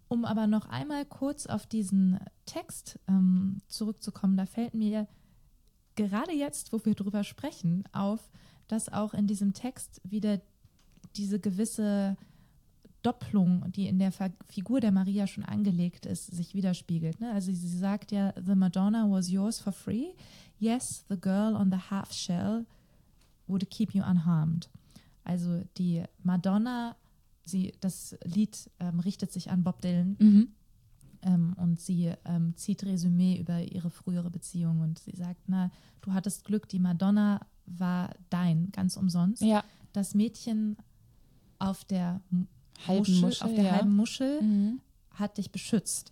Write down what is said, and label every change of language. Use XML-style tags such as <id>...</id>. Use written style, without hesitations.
<de>Um aber noch einmal kurz auf diesen Text zurückzukommen, da fällt mir gerade jetzt, wo wir drüber sprechen, auf, dass auch in diesem Text wieder diese gewisse Doppelung, die in der Figur der Maria schon angelegt ist, sich widerspiegelt. Ne? Also sie sagt ja,</de> <en>the Madonna was yours for free. Yes, the girl on the half shell would keep you unharmed.</en> <de>Also die Madonna, das Lied richtet sich an Bob Dylan. Mhm. Und sie zieht Resümee über ihre frühere Beziehung und sie sagt, na, du hattest Glück, die Madonna war dein, ganz umsonst. Ja. Das Mädchen auf der halben Muschel hat dich beschützt.</de>